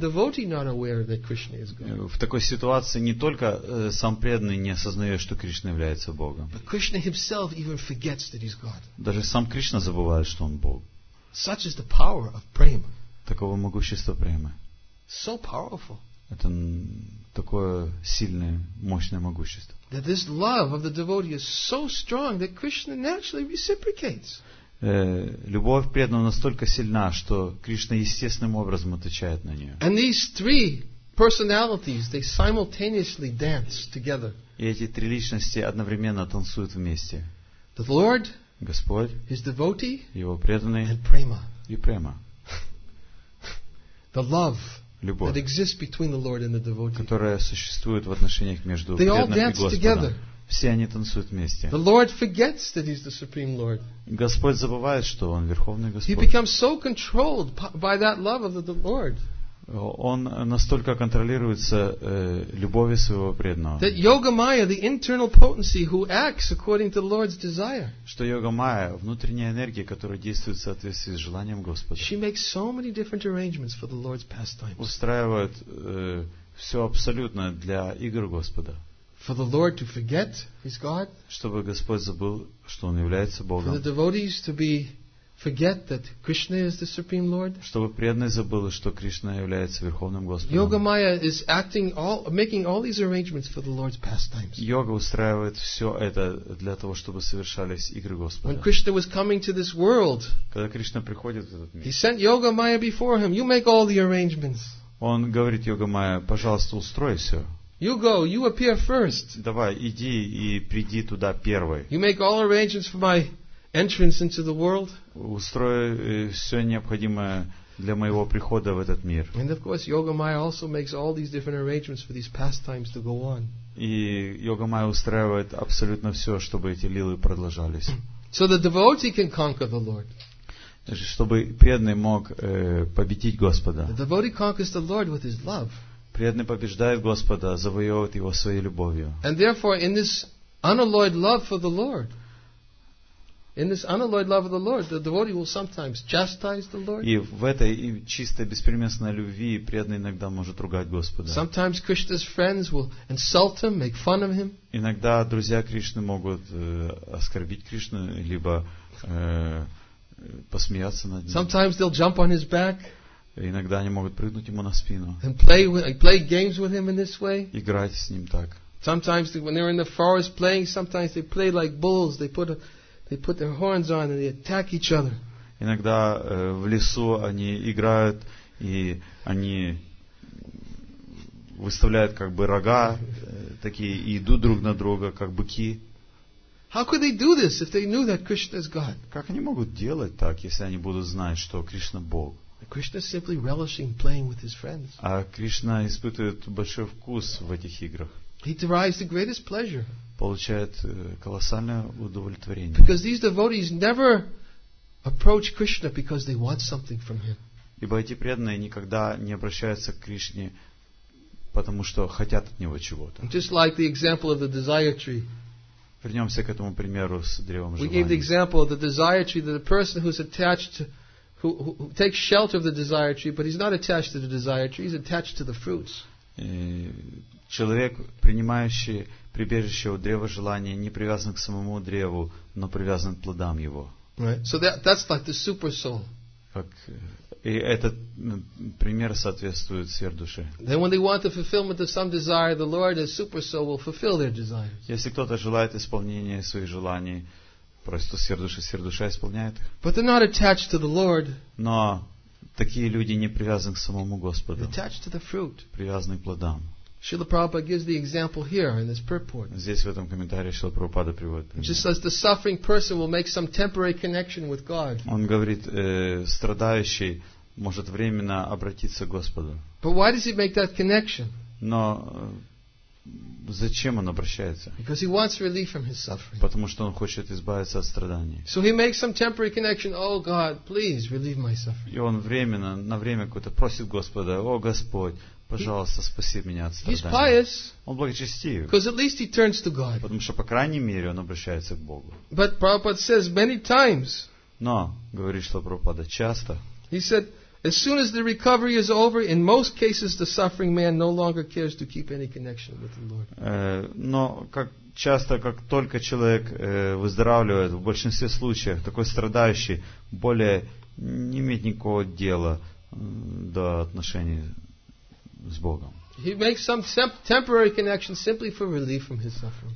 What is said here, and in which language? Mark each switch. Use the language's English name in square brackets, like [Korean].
[Russian] В такой ситуации не только сам преданный не осознает, что Кришна является Богом. [English] But Krishna himself even forgets that he's God. [Russian] Даже сам Кришна забывает, что он Бог. [English] Such is the power of prema. [Russian] Таково могущество премы. [English] So powerful. [Russian] Это такое сильное, мощное могущество. [English] That this love of the devotee is so strong that Krishna naturally reciprocates. [Russian] Любовь преданного настолько сильна, что Кришна естественным образом отвечает на нее. [English] And these three personalities, they simultaneously dance together. [Russian] И эти три личности одновременно танцуют вместе. [English] The Lord, [Russian] Господь, [English] his devotee, [Russian] его преданный, [English] and prema. [Russian] И према. [English] The love, [Russian] любовь, [English] that exists between the Lord and the devotee. [Russian] Которая существует в отношениях между преданным и Господом. [English] They all dance together. [Russian] Все они танцуют вместе. [English] The Lord forgets that he's the Supreme Lord. [Russian] Господь забывает, что он Верховный Господь. [English] He becomes so controlled by that love of the Lord. [Russian] Он настолько контролируется любовью своего преданного. [English] That Yoga Maya, the internal potency who acts according to the Lord's desire. [Russian] Что Йога Майя, внутренняя энергия, которая действует в соответствии с желанием Господа. [English] She makes so many different arrangements for the Lord's pastimes. [Russian] Устраивает все абсолютно для игр Господа. [English] For the Lord to forget he's God. [Russian] Чтобы Господь забыл, что он является Богом. [English] For the devotees to be forget that Krishna is the Supreme Lord. [Russian] Чтобы преданные забыли, что Кришна является Верховным Господом. [English] Yoga Maya is acting all, making all these arrangements for the Lord's pastimes. [Russian] Йога устраивает все это для того, чтобы совершались игры Господа. [English] When Krishna was coming to this world. [Russian] Когда Кришна приходит в этот мир. [English] He sent Yoga Maya before him. You make all the arrangements. [Russian] Он говорит Йога Майя, пожалуйста, устрой все. [English] You go, you appear first. [Russian] Давай, иди и приди туда первой. [English] You make all arrangements for my entrance into the world. [Russian] Устрой все необходимое для моего прихода в этот мир. [English] And of course, Yoga Maya also makes all these different arrangements for these pastimes to go on. [Russian] И Йога Майя устраивает абсолютно все, чтобы эти лилы продолжались. [English] So the devotee can conquer the Lord. [Russian] Чтобы преданный мог победить Господа. [English] The devotee conquers the Lord with his love. [Russian] Преданный побеждает Господа, завоевывает его своей любовью. [English] And therefore, in this unalloyed love for the Lord, the devotee will sometimes chastise the Lord. [Russian] И в этой чистой беспримесной любви преданный иногда может ругать Господа. [English] Sometimes Krishna's friends will insult him, make fun of him. [Russian] Иногда друзья Кришны могут оскорбить Кришну, либо посмеяться над ним. [English] Sometimes they'll jump on his back. [Russian] Иногда они могут прыгнуть ему на спину. [English] And play games with him in this way. [Russian] Играть с ним так. [English] Sometimes when they're in the forest playing, sometimes they play like bulls. They put their horns on and they attack each other. [Russian] Иногда в лесу они играют и они выставляют как бы рога такие и идут друг на друга как быки. [English] How could they do this if they knew that Krishna is God? [Russian] Как они могут делать так, если они будут знать, что Кришна Бог? [English] Krishna is simply relishing playing with his friends. [Russian] А Кришна испытывает большой вкус в этих играх. [English] He derives the greatest pleasure. [Russian] Получает колоссальное удовлетворение. [English] Because these devotees never approach Krishna because they want something from him. [Russian] Ибо эти преданные никогда не обращаются к Кришне, потому что хотят от него чего-то. [English] Just like the example of the desire tree. [Russian] Вернемся к этому примеру с древом желания. [English] We gave the example of the desire tree, that the person who's attached to, who takes shelter of the desire tree, but he's not attached to the desire tree, he's attached to the fruits. [Russian] Человек, принимающий прибежище у древа желания, не привязан к самому древу, но привязан к плодам его. [English] Right. So that's like the super soul. [Russian] Как, и этот пример соответствует сверхдуше. [English] Then when they want the fulfillment of some desire, the Lord, as super soul, will fulfill their desires. [Russian] Если кто-то желает исполнения своих желаний, просто сверхдуша исполняет их. [English] But they're not attached to the Lord. [Russian] Но такие люди не привязаны к самому Господу. [English] They're attached to the fruit. [Russian] Привязаны к плодам. [English] Srila Prabhupada gives the example here in this purport. [Russian] Здесь в этом комментарии Шрила Прабхупада приводит. [English] He just says the suffering person will make some temporary connection with God. [Russian] Он говорит, страдающий может временно обратиться к Господу. [English] But why does he make that connection? [Russian] Но зачем он обращается? [English] Because he wants relief from his suffering. [Russian] Потому что он хочет избавиться от страданий. [English] So he makes some temporary connection. Oh God, please relieve my suffering. [Russian] И он временно, на время какое-то просит Господа: О Господь, пожалуйста, спаси меня от страданий. [English] He's pious, [Russian] он благочестив. [English] Because at least he turns to God. [Russian] Потому что, по крайней мере, он обращается к Богу. [English] But Prabhupada says many times. [Russian] Но, говорит Шрила Прабхупада, часто. [English] He said, as soon as the recovery is over, in most cases the suffering man no longer cares to keep any connection with the Lord. [Russian] Но как часто, как только человек выздоравливает, в большинстве случаев такой страдающий более не имеет никакого дела до отношений с Богом. [English] He makes some temporary connection simply for relief from his suffering.